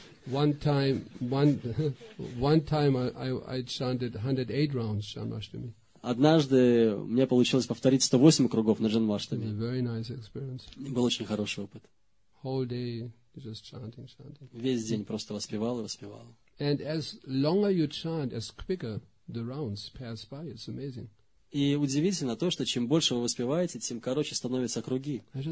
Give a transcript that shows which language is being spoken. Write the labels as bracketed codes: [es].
[en] One time I chanted 108 rounds Janmashtami. [ru] Однажды мне получилось повторить 108 кругов на Джанмаштами. [en] Very nice experience. [ru] Был очень хороший опыт. [en] Whole day just chanting. [ru] Весь день просто воспевал. [en] And as longer you chant, as quicker the rounds pass by. It's amazing. [ru] И удивительно то, что чем больше вы воспеваете, тем короче становятся круги.